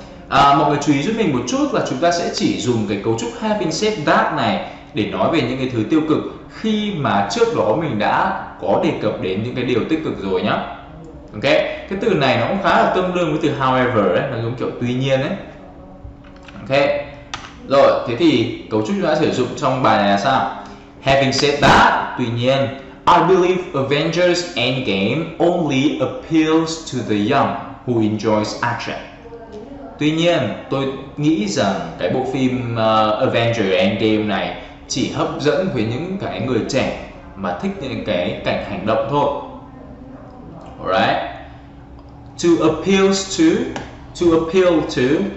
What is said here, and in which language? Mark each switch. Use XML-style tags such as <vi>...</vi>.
<vi>Mọi người chú ý giúp mình một chút là chúng ta sẽ chỉ dùng cái cấu trúc</vi> <en>having said that</en> <vi>này để nói về những cái thứ tiêu cực khi mà trước đó mình đã có đề cập đến những cái điều tích cực rồi nhá. Ok, cái từ này nó cũng khá là tương đương với từ however ấy, nó giống kiểu tuy nhiên ấy. Ok, rồi, thế thì cấu trúc chúng ta sử dụng trong bài này là sao?</vi> <en>Having said that,</en> <vi>tuy nhiên,</vi> <en>I believe Avengers Endgame only appeals to the young who enjoys action.</en> <vi>Tuy nhiên, tôi nghĩ rằng cái bộ phim Avengers Endgame này chỉ hấp dẫn với những cái người trẻ mà thích những cái cảnh hành động thôi.</vi> <en>Alright. To appeal to</en>